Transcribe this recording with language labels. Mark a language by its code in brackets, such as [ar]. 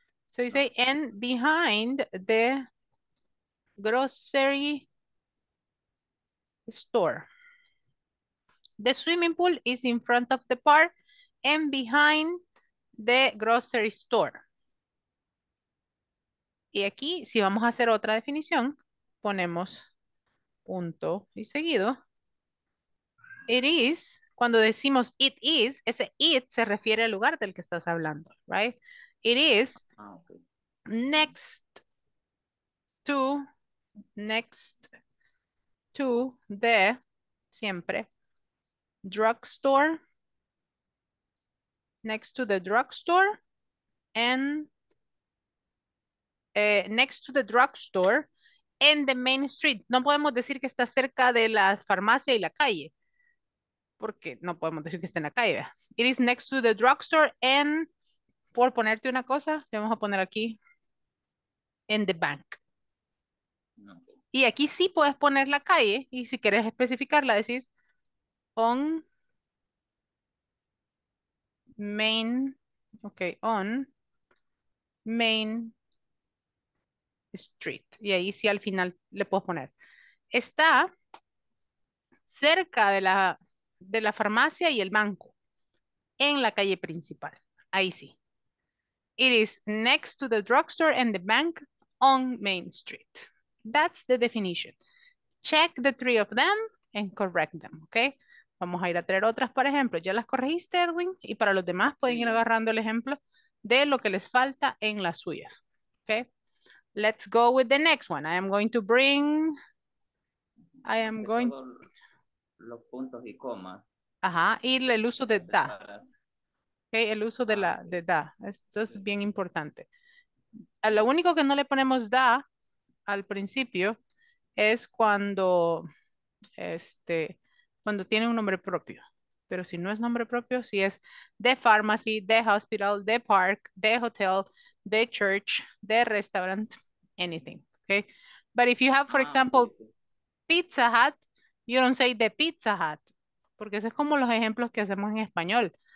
[en] So you say, and behind the grocery store. The swimming pool is in front of the park and behind the grocery store. [es] Y aquí, si vamos a hacer otra definición, ponemos punto y seguido. [en] It is, [es] cuando decimos [en] it is, [es] ese it se refiere al lugar del que estás hablando, [en] right? It is next to the, [es] siempre, [en] drugstore, next to the drugstore, and next to the drugstore and the main street. [es] No podemos decir que está cerca de la farmacia y la calle, porque no podemos decir que está en la calle. [en] It is next to the drugstore and, [es] por ponerte una cosa, le vamos a poner aquí, [en] in the bank. [es] Y aquí sí puedes poner la calle, y si quieres especificarla, decís [en] on Main, okay, on Main Street. [es] Y ahí sí al final le puedo poner. Está cerca de la farmacia y el banco, en la calle principal. Ahí sí. [en] It is next to the drugstore and the bank on Main Street. That's the definition. Check the three of them and correct them, okay? [es] Vamos a ir a traer otras, por ejemplo. ¿Ya las corregiste, Edwin? Y para los demás pueden ir agarrando el ejemplo de lo que les falta en las suyas. [en] Okay? Let's go with the next one. I am going... [es] Los puntos y comas. Ajá, y el uso de da. Okay, el uso de la de da. Esto es bien importante. Lo único que no le ponemos da al principio es cuando cuando tiene un nombre propio. Pero si no es nombre propio, si es [en] the pharmacy, the hospital, the park, the hotel, the church, the restaurant, anything. Okay. But if you have, for example, Pizza Hut, you don't say the Pizza Hut. [es] Porque eso es como los ejemplos que hacemos en español.